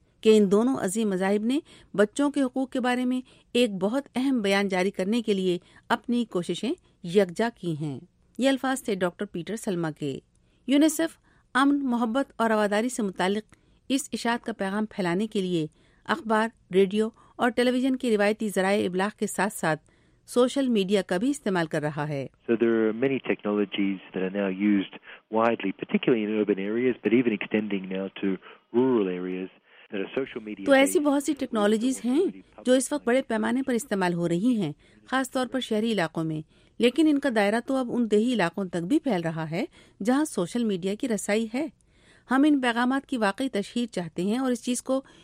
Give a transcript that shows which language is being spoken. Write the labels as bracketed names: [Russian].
[Urdu] کہ ان دونوں عظیم مذاہب نے بچوں کے حقوق کے بارے میں ایک بہت اہم بیان جاری کرنے کے لیے اپنی کوششیں یکجا کی ہیں۔ یہ الفاظ تھے ڈاکٹر پیٹر سلما کے۔ یونیسیف امن، محبت اور رواداری سے متعلق اس اشاعت کا پیغام پھیلانے کے لیے اخبار، ریڈیو اور ٹیلی ویژن کے روایتی ذرائع ابلاغ کے ساتھ ساتھ سوشل میڈیا کا بھی استعمال کر رہا ہے۔ [English] So there are many technologies that are now used widely, particularly in urban areas, but even extending now to rural areas. [Urdu] تو ایسی بہت سی ٹیکنالوجیز ہیں جو اس وقت بڑے پیمانے پر استعمال ہو رہی ہیں، خاص طور پر شہری علاقوں میں، لیکن ان کا دائرہ تو اب ان دیہی علاقوں تک بھی پھیل رہا ہے جہاں سوشل میڈیا کی رسائی ہے۔ ہم ان پیغامات کی واقعی تشہیر چاہتے ہیں اور اس چیز کو